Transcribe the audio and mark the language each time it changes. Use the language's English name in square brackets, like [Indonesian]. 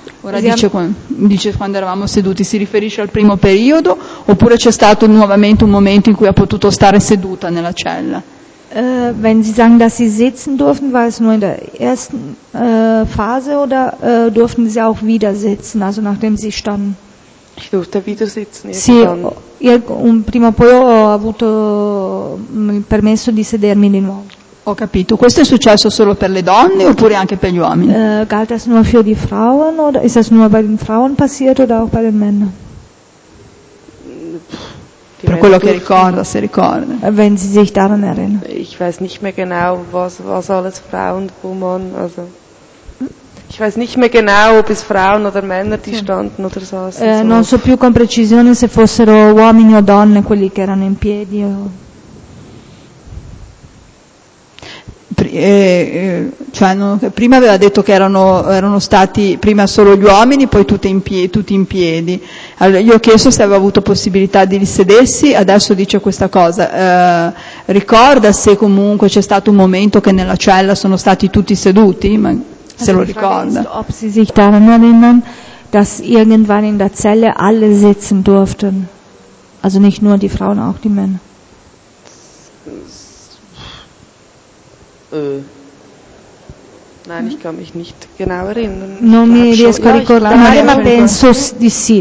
[Italian] Ora dice quando eravamo seduti, si riferisce al primo periodo oppure c'è stato nuovamente un momento in cui ha potuto stare seduta nella cella? [German] Wenn Sie sagen, dass Sie sitzen durften, war es nur in der ersten Phase oder durften Sie auch wieder sitzen, also nachdem Sie standen? Ich durfte wieder sitzen. [Italian] Sì, prima o poi ho avuto il permesso di sedermi di nuovo. Ho capito. Questo è successo solo per le donne oppure anche per gli uomini? [German] Galt das nur für die Frauen oder ist das nur bei den Frauen passiert oder auch bei den Männern? [Italian] Per quello che ricorda, se ricorda. [German] Wenn Sie sich daran erinnern. Ich weiß nicht mehr genau, was alles Frauen, Women, also. Ich weiß nicht mehr genau, ob es Frauen oder Männer, die standen oder so. [Italian] Non so più con precisione se fossero uomini o donne quelli che erano in piedi. Prima aveva detto che erano stati prima solo gli uomini, poi tutti in piedi. Allora, io ho chiesto se aveva avuto possibilità di risedersi, adesso dice questa cosa. Ricorda se comunque c'è stato un momento che nella cella sono stati tutti seduti? Ma... Se lo ricorda. [German] Ist, ob Sie sich daran erinnern, dass irgendwann in der Zelle alle sitzen durften. Also nicht nur die Frauen, auch die Männer. Nein, ich kann mich nicht genau erinnern. [Italian] Non mi riesco a ricordare, ma penso di sì.